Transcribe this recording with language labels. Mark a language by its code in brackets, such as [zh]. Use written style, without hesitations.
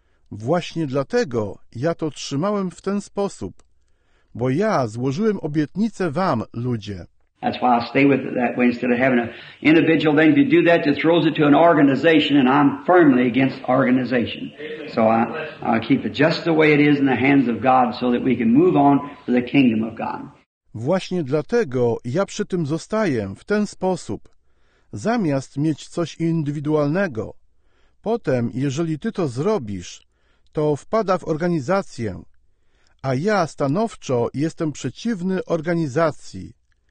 [pl] Właśnie dlatego ja to trzymałem w ten sposób, bo ja złożyłem obietnicę wam, ludzie. [en] That's why I stay with it that way instead of having an individual thing. If you do that, it just throws it to an organization, and I'm firmly against organization. So I keep it just the way it is in the hands of God so that we can move on to the kingdom of God. [pl] Właśnie dlatego ja przy tym zostaję w ten sposób. Zamiast mieć coś indywidualnego, potem, jeżeli ty to zrobisz, to wpada w organizację, a ja stanowczo jestem przeciwny organizacji.